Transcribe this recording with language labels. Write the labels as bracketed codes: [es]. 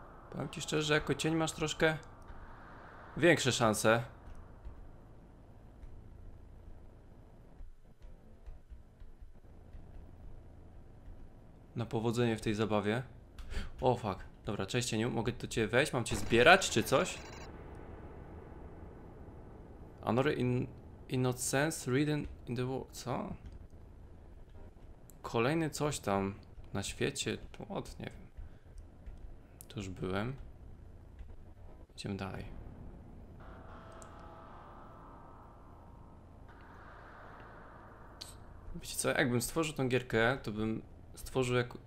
[pl] Powiem ci szczerze, że jako cień masz troszkę większe szanse. Na powodzenie w tej zabawie. O [en] fuck. [pl] Dobra, cześć cieniu, mogę do ciebie wejść? Mam cię zbierać czy coś? [en] Honor in innocence written in the world. [pl] Co? Kolejny coś tam na świecie. [en] What? [pl] Nie wiem. Tu już byłem. Idziemy dalej. Wiecie co, jakbym stworzył tą gierkę, to bym stworzył jak...